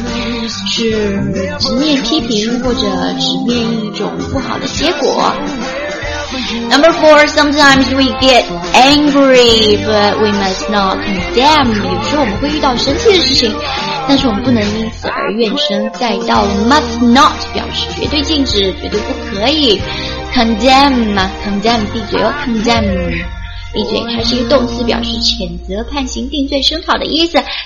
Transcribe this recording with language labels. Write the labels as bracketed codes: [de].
[zh] 是直面批评或者直面一种不好的结果。 [en] Number four, sometimes we get angry, but we must not condemn. [zh] 有时候我们会遇到生气的事情，但是我们不能因此而怨声载道。 Must not 表示绝对禁止，绝对不可以。 Condemn 闭嘴哦 ，condemn 闭嘴，它是一个动词，表示谴责、判刑、定罪、声讨的意思。